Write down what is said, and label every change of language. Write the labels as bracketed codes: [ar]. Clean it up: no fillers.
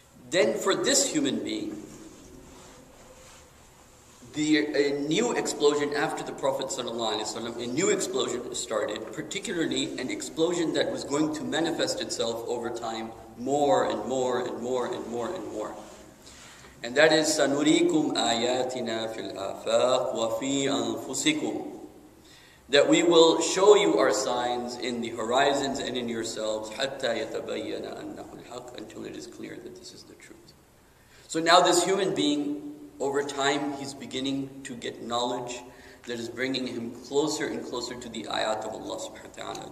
[en] Then for this human being, a new explosion after the Prophet ﷺ, a new explosion started, particularly an explosion that was going to manifest itself over time more and more and more and more and more. [ar] And that is سَنُرِيكُمْ آيَاتِنَا فِي الْآفَاقِ وَفِي أَنفُسِكُمْ. [en] That we will show you our signs in the horizons and in yourselves, حَتَّى يَتَبَيَّنَ أَنَّهُ الْحَقِّ, until it is clear that this is the truth. So now this human being, over time, he's beginning to get knowledge that is bringing him closer and closer to the ayat of Allah subhanahu wa ta'ala.